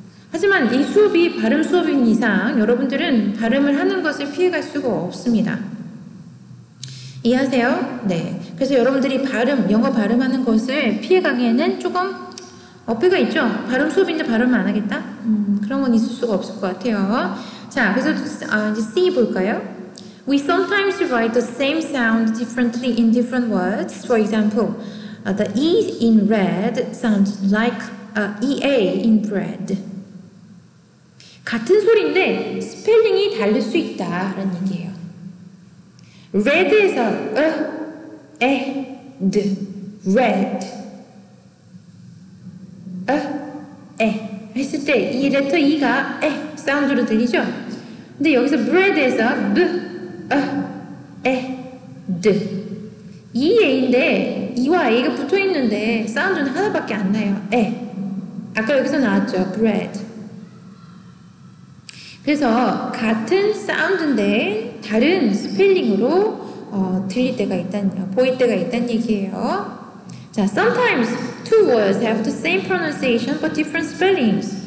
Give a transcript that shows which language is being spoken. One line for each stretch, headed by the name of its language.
Korean: 하지만 이 수업이 발음 수업인 이상 여러분들은 발음을 하는 것을 피해갈 수가 없습니다. 이해하세요? 네. 그래서 여러분들이 발음, 영어 발음하는 것을 피해가기에는 조금 어폐가 있죠? 발음 수업인데 발음을 안 하겠다? 그런 건 있을 수가 없을 것 같아요. 자, 그래서 이제 C 볼까요?
English: We sometimes write the same sound differently in different words. For example, the E in red sounds like EA in bread.
Korean: 같은 소리인데 스펠링이 다를 수 있다라는 얘기예요. Red에서 red, red, e 했을 때 이 레터 E가 e 사운드로 들리죠? 근데 여기서 bread에서 b, red, EA인데 E와 A가 붙어있는데 사운드는 하나밖에 안 나요. e 아까 여기서 나왔죠? bread. 그래서 같은 사운드인데 다른 스펠링으로 들릴 때가 있단, 보일 때가 있단 얘기예요.
English: 자, sometimes two words have the same pronunciation but different spellings.